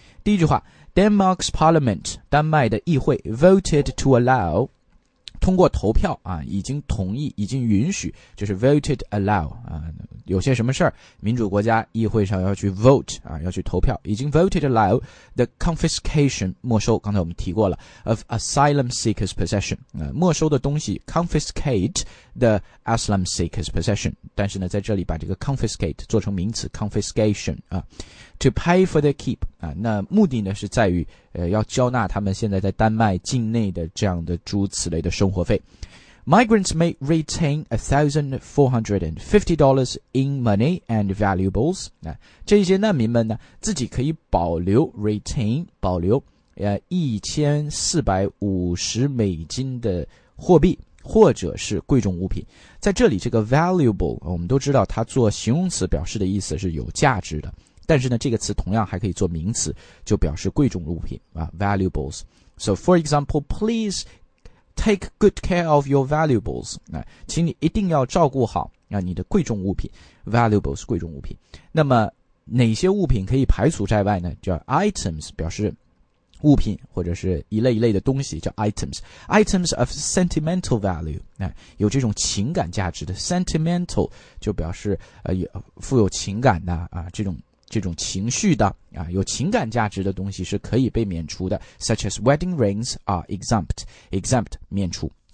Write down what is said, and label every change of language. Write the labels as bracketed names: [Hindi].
[Chinese] 第一句话 [English] Denmark's parliament [Chinese] 丹麦的议会 [English] voted to allow [Chinese] 通过投票啊，已经同意已经允许就是 [English] voted allow [Chinese] 啊，有些什么事儿，民主国家议会上要去 vote 啊，要去投票，已经 [English] voted allow the confiscation [Chinese] 没收，刚才我们提过了 [English] of asylum seekers possession、 [Chinese] 没收的东西 [English] confiscate the asylum seekers possession， [Chinese] 但是呢在这里把这个 confiscate 做成名词 confiscation 啊， [English] to pay for the keep [Chinese] 啊，那目的呢是在于要交纳他们现在在丹麦境内的这样的诸此类的生活费。 [English] Migrants may retain $1,450 in money and valuables. [Chinese] 这些难民们呢，自己可以保留 retain 保留1450美金的货币或者是贵重物品。在这里，这个 valuable 我们都知道，它做形容词表示的意思是有价值的。但是呢，这个词同样还可以做名词，就表示贵重物品啊 ，valuables. [English] So, for example, please. Take good care of your valuables. [Chinese] 请你一定要照顾好你的贵重物品 valuables 贵重物品。那么哪些物品可以排除在外呢？叫 items 表示物品或者是一类一类的东西叫 items。 [English] Items of sentimental value [Chinese] 有这种情感价值的 sentimental 就表示富有情感的这种情绪的有情感价值的东西是可以被免除的 [English] such as wedding rings are exempt [Chinese] 免除